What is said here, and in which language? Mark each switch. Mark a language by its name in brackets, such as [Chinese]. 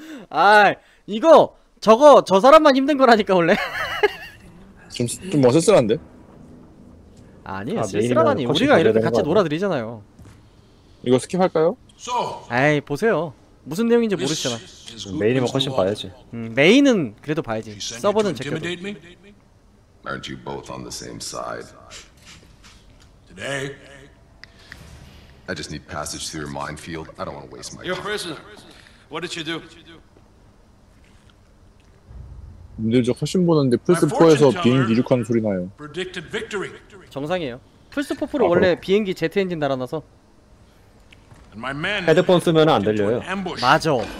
[Korean] 아 이거 저거 저 사람만 힘든 거라니까 원래. 좀 어쓸쓸한데? 아니에요 쓸쓸하다니. 아, 우리가 이렇게 같이 놀아드리잖아요. 이거 스킵할까요? 에이 보세요 무슨 내용인지 모르시잖아. 메인이면 훨씬 봐야지. 메인은 그래도 봐야지. 서버는 제껴둬. [English] Aren't you both on the same side? Today, I just need passage through your minefield. I don't want to waste my time. You're a prisoner. What did you do? [Korean] 근데 저 화신 보는데 플스4에서 비행기 이륙하는 소리 나요. 정상이에요. 플스4프로 아, 원래 비행기 제트 엔진 달아놔서 헤드폰 쓰면 안 들려요. 맞아.